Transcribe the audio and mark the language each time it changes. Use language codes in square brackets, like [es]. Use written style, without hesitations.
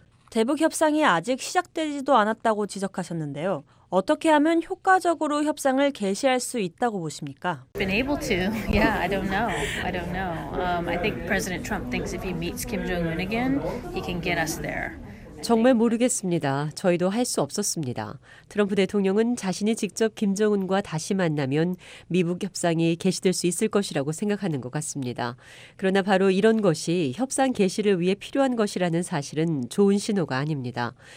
[ko] 대북 협상이 아직 시작되지도 않았다고 지적하셨는데요. 어떻게 하면 효과적으로 협상을 개시할 수 있다고 보십니까? [en] Been able to. Yeah, I don't know. I don't know. I think President Trump thinks if he meets Kim Jong-un again, he can get us there. [ko] 정말 모르겠습니다. 저희도 할 수 없었습니다. 트럼프 대통령은 자신이 직접 김정은과 다시 만나면 미북 협상이 개시될 수 있을 것이라고 생각하는 것 같습니다. 그러나 바로 이런 것이 협상 개시를 위해 필요한 것이라는 사실은 좋은 신호가 아닙니다.